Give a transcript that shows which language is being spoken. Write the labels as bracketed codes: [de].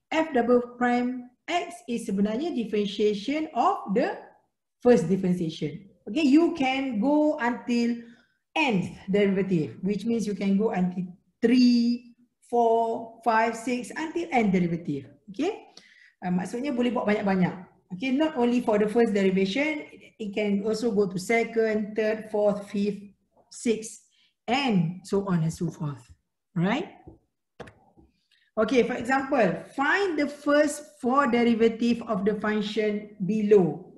[en] F double prime x is [ms] sebenarnya [en] differentiation of the first differentiation. Okay, you can go until nth derivative, which means you can go until 3, 4, 5, 6, until nth derivative. [ms] Okay, maksudnya boleh buat banyak-banyak. [en] Okay, not only for the first derivation, it can also go to second, third, fourth, fifth, sixth, and so on and so forth. Right? Okay, for example, find the first four derivative of the function below.